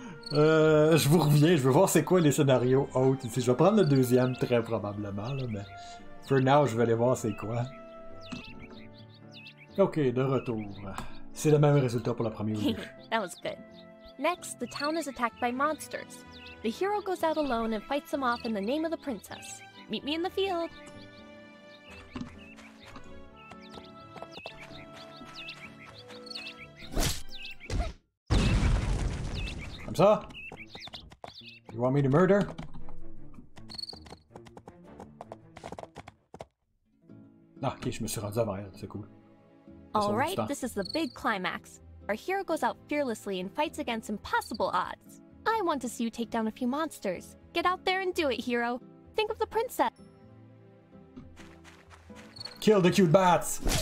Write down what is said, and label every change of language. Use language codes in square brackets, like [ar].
[fr] je vous reviens, je veux voir c'est quoi les scénarios autres. Je vais prendre le deuxième très probablement, là, mais [en] for now, [fr] je vais aller voir c'est quoi. Ok, de retour. C'est le même résultat pour la première vue. [en] That was good. Next, the town is attacked by monsters. The hero goes out alone and fights them off in the name of the princess. Meet me in the field! [fr] Comme ça? [en] You want me to murder? [fr] Ah, ok, je me suis rendu avant elle, c'est cool. [en] Alright, this is the big climax. Our hero goes out fearlessly and fights against impossible odds. I want to see you take down a few monsters. Get out there and do it, hero. Think of the princess. Kill the cute bats!